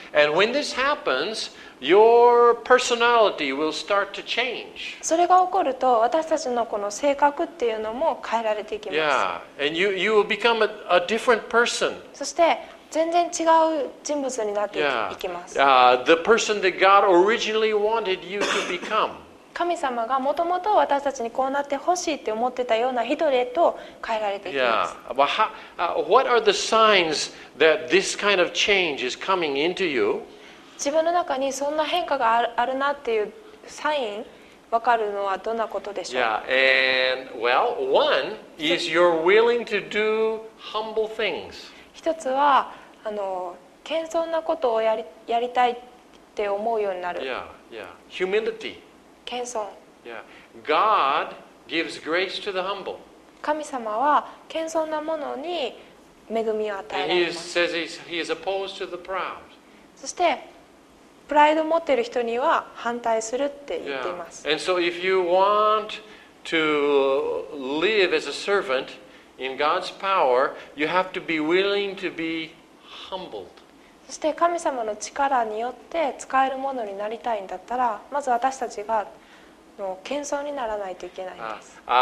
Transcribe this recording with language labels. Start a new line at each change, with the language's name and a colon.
English: And when this happens, your personality will start to change.
Japanese: それが起こると私たちのこの性格っていうのも変えられていきます。
English: Yeah. And you will become a different person.
Japanese: そして全然違う人物になっていきます。
English: Yeah. The person that God originally wanted you to become.
Japanese: 神様がもともと私たちにこうなってほしいって思ってたような人へと変えられていきます。
English: Yeah. What are the signs that this kind of change is coming into you?
Japanese: 自分の中にそんな変化があるなっていうサイン、分かるのはどんなことでしょう。
English: Yeah. And well, one is you're willing to do humble things.
Japanese: 一つは謙遜なことをやりたいって思うようになる。
English: Yeah. Yeah. Humility.
Japanese: 謙遜。
English: Yeah. God gives grace to the humble.
Japanese: 神様は謙遜なものに恵みを与えられます。
English: He says he is opposed to the proud.
Japanese: そしてプライドを持っている人には反対するって言っています。
English: Yeah. And so if you want to live as a servant in God's power, you have to be willing to be humbled.
Japanese: そして神様の力によって使えるものになりたいんだったら、まず私たちが謙遜にならないといけないんです。